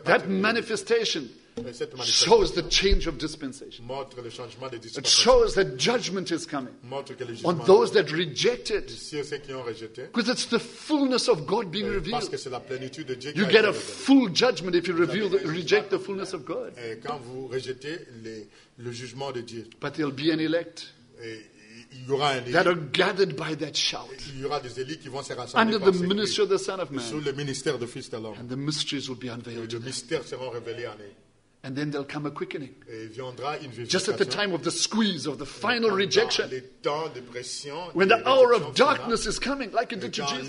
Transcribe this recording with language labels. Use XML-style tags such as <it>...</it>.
<en>particulier. That manifestation shows the change of dispensation.</en> <fr>Montre le changement de dispensation.</fr> <en>It shows that judgment is coming.</en> <fr>Montre que le</fr> <en>jugement. On those that rejected.</en> <fr>Sur ceux qui ont rejeté.</fr> <en>Because it's the fullness of God being revealed.</en> <fr>Parce que c'est la plénitude de Dieu.</fr> <en>You get a full judgment if you reject the fullness of God.</en> <fr>Et quand vous rejetez le jugement de Dieu.</fr> <en>But there'll be an elect.</en> <fr>Il y aura un</fr> <en>that are gathered by that shout.</en> <fr>Il y aura des élites qui vont se rassembler</fr> <en>under the ministry of the Son of Man.</en> <fr>Sous le ministère du Fils de l'homme.</fr> <en>And the mysteries will be unveiled.</en> <fr>Et les mystères seront révélés en eux.</fr> <en>And then there'll come a quickening.</en> <fr>Et viendra une vivification.</fr> <en>Just at the time of the squeeze of the final rejection.</en> <fr>Les temps de pression,</fr> <en>when the hour of darkness is coming, like it did to Jesus.</en>